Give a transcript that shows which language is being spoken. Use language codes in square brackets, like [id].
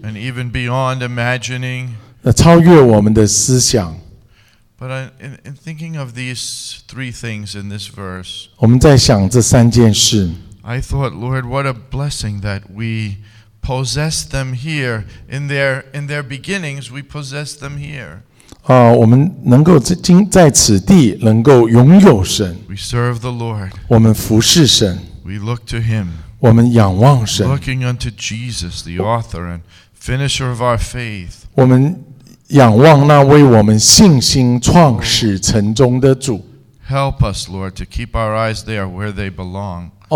[en] And even beyond imagining. [zh] 超越我们的思想。 [en] But in thinking of these three things in this verse, [zh] 我们在想这三件事。 [en] I thought, Lord, what a blessing that we possess them here in their beginnings. We possess them here. [zh] 我们能够在此地能够拥有神。 [en] We serve the Lord. [zh] 我们服侍神。 [en] We look to Him. [zh] 我们仰望神。 [en] Looking unto Jesus, the author and finisher of our faith. [zh] 我们仰望那为我们信心创始成终的主。 [en] Help us, Lord, to keep our eyes there where they belong.